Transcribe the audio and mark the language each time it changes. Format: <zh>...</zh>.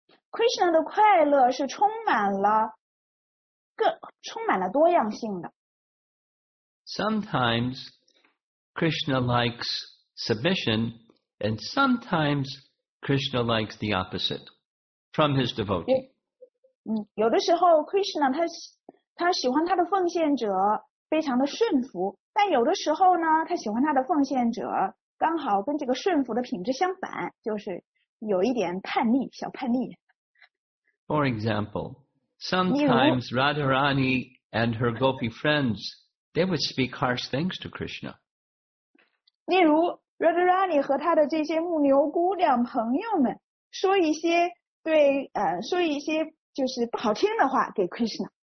<zh>Krishna的快乐是充满了多样性的。</zh> <en>Sometimes Krishna likes submission, and sometimes Krishna likes the opposite from his devotee.</en> <zh>有的时候 Krishna他喜欢他的奉献者非常的顺服，但有的时候呢，他喜欢他的奉献者刚好跟这个顺服的品质相反，就是。有一点叛逆,</zh> <en>for example, sometimes Radharani and her gopi friends, they would speak harsh things to Krishna.</en> <zh>例如, Radharani和他的这些牧牛姑娘朋友们, 说一些对, 说一些就是不好听的话给 Krishna.</zh>